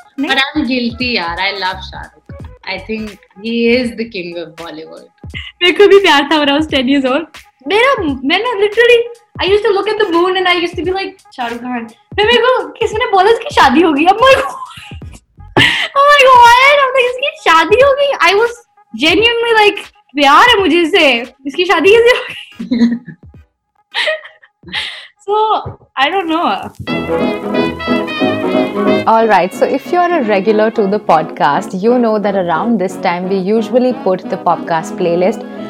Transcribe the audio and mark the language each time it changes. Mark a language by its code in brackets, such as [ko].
[en] But I'm guilty, [hi] यार. [en] I love Shah Rukh. I think he is the king of Bollywood. [hi] मेरे को भी प्यार था [en] when I was 10 years old. मैंने literally I used to look at the moon and I used to be like Shah Rukh Khan. [hi] फिर मेरे को किसी ने बोला इसकी शादी होगी. अब मेरे को [en] oh my god, [hi] अब तक इसकी शादी होगी. [en] I was genuinely like [hi] प्यार है मुझे इसे. इसकी शादी कैसे होगी? [en] So I don't know. All right, so if you're a regular to the podcast, you know that around this time we usually put the podcast playlist.